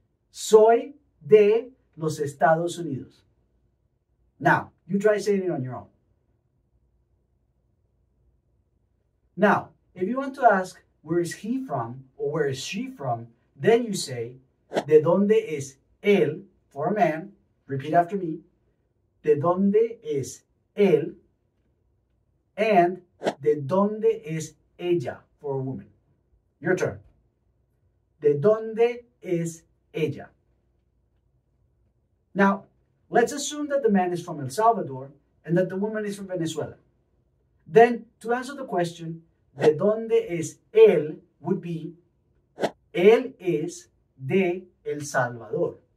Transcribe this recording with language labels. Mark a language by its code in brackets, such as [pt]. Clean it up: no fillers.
[es] Soy de los Estados Unidos. [en] Now, you try saying it on your own. Now, if you want to ask where is he from or where is she from, then you say, [es] ¿De dónde es él? [en] For a man, repeat after me. [es] ¿De dónde es él? [en] And, [es] ¿De dónde es ella? [en] For a woman. Your turn. [es] ¿De dónde es ella? [en] Now, let's assume that the man is from El Salvador and that the woman is from Venezuela. Then, to answer the question, [es] ¿De dónde es él? [en] Would be, [es] él es de El Salvador.